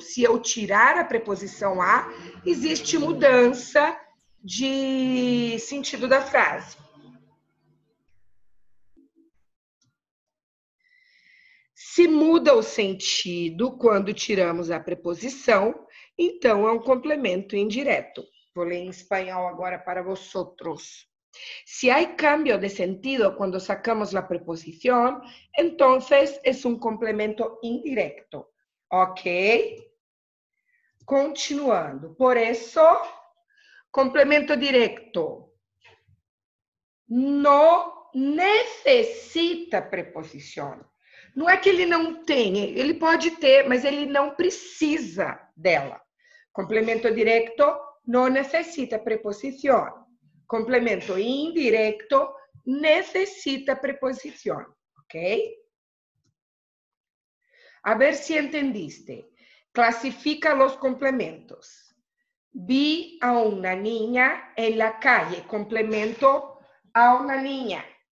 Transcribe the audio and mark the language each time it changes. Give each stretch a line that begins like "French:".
Portuguese: Se eu tirar a preposição A, existe mudança de sentido da frase. Se muda o sentido quando tiramos a preposição, então é um complemento indireto. Vou ler em espanhol agora para vosotros.
Spanish: Si hay cambio de sentido cuando sacamos la preposición, entonces es un complemento indirecto. Ok? Continuando. Por eso, complemento directo. No necesita preposición.
Portuguese: Não é que ele não tem, ele pode ter, mas ele não precisa dela.
Spanish: Complemento directo, no necesita preposición.
Portuguese: Complemento indirecto necessita preposição, ok? A ver se entendiste. Classifica os complementos.
Spanish: Vi a uma niña en la calle, complemento a uma niña.